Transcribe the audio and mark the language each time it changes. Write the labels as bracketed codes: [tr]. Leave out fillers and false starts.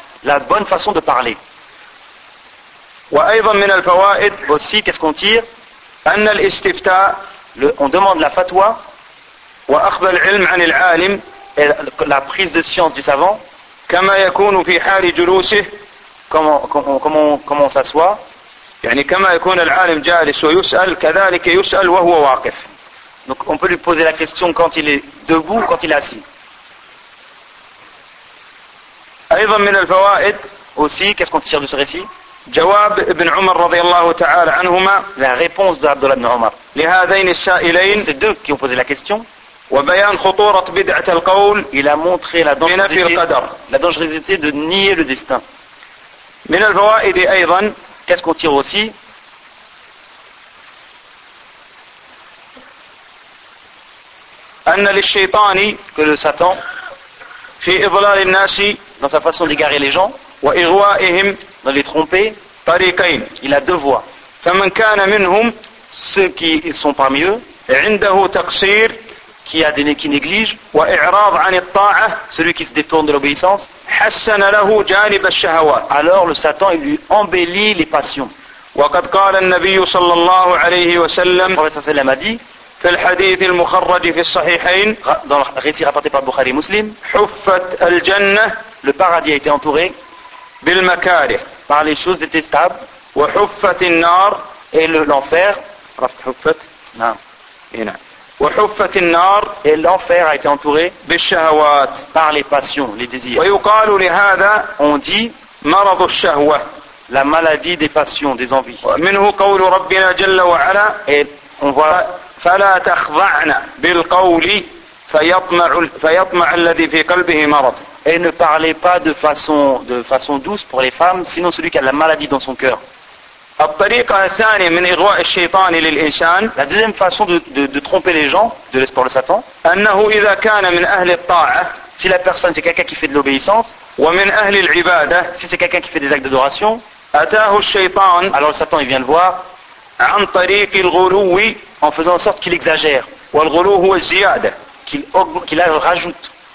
[fr] la bonne façon de parler. [ar] وأيضا من الفوائد, [fr] aussi qu'est-ce qu'on tire, [ar] أن الاستفتاء, [fr] on demande la fatwa, [ar] وأخذ العلم عن العالم, [fr] et la prise de science du savant, [ar] كما يكون في حال جلوسه, [fr] comment on s'assoit, [ar] يعني كما يكون العالم جالس ويسأل كذلك يسأل وهو واقف. [fr] Donc on peut lui poser la question quand il est debout, quand il est assis. [ar] أيضا من الفوائد, [fr] aussi qu'est-ce qu'on tire de ce récit, [ar] جواب ابن عمر رضي الله تعالى عنهما, [fr] la réponse de Abdullah ibn Omar, [ar] لهذين السائلين, [fr] ces deux qui ont posé la question, [ar] وبيان خطورة بدعة القول, [fr] il a montré la dangerosité de nier le destin. [ar] من الفوائد أيضا, [fr] qu'est-ce qu'on tire aussi, [ar] أن للشيطان, [fr] que le Satan, [ar] في إضلال الناس, [fr] dans sa façon d'égarer les gens, [ar] وإغوائهم, [fr] dans les tromper, [ar] طريقين, [fr] il a deux voies. [ar] فمن كان منهم, [fr] ceux qui sont parmi eux, [ar] عنده تقصير, [fr] qui néglige, [ar] وإعراض عن الطاعة, [fr] celui qui se détourne de l'obéissance, [ar] حسن له جانب الشهوات, [fr] alors le Satan il lui embellit les passions. [ar] وقد قال النبي صلى الله عليه وسلم, [fr] le prophète [ar] صلى الله عليه وسلم [fr] a dit, [ar] في الحديث المخرج في الصحيحين, [fr] dans le récit rapporté par Bukhari Muslim, [ar] حفت الجنة, [fr] le paradis a été entouré, [ar] بالمكاره, [fr] par les choses détestables, [ar] وحفت النار, [fr] et l'enfer, [ar] عرفت حفت, نعم, هنا, وحفت النار, [fr] et l'enfer a été entouré, [ar] بالشهوات, [fr] par les passions, les désirs. [ar] ويقال لهذا, [fr] on dit, [ar] مرض الشهوة, [fr] la maladie des passions, des envies. [ar] منه قول ربنا جل وعلا, [fr] et on voit, [ar] فلا تخضعن بالقول فيطمع الذي في قلبه مرض. [fr] Et ne parlez pas de façon douce pour les femmes, sinon celui qui a la maladie dans son cœur. [ar] الطريقة الثانية من إغواء الشيطان للإنسان, [fr] la deuxième façon de tromper les gens, de l'espoir de Satan, [ar] أنه إذا كان من أهل الطاعة, [fr] si la personne c'est quelqu'un qui fait de l'obéissance, [ar] ومن أهل العبادة, [fr] si c'est quelqu'un qui fait des actes d'adoration, [ar] أتاه الشيطان, [fr] alors le Satan il vient le voir, [ar] عن طريق الغلو, [fr] en faisant en sorte qu'il exagère, [ar] والغلو هو الزيادة, [fr] qu'il rajoute,